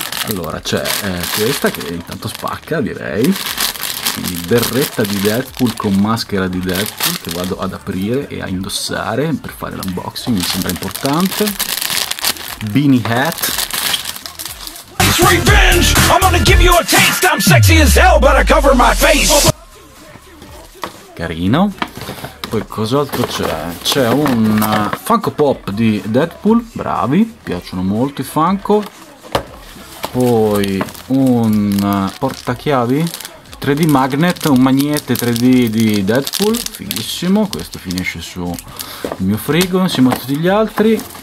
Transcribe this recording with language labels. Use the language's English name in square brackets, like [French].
[Italian] Allora c'è questa, che intanto spacca, direi. Quindi berretta di Deadpool con maschera di Deadpool, che vado ad aprire e a indossare per fare l'unboxing, mi sembra importante. [English] Beanie hat. Revenge! I'm gonna give you a taste. I'm sexy as hell, but I cover my face. [Italian] Carino. Poi cos'altro c'è? C'è un Funko Pop di Deadpool, bravi, piacciono molto i Funko. Poi un portachiavi 3D magnet, un magnete 3D di Deadpool, fighissimo, questo finisce su il mio frigo insieme a tutti gli altri.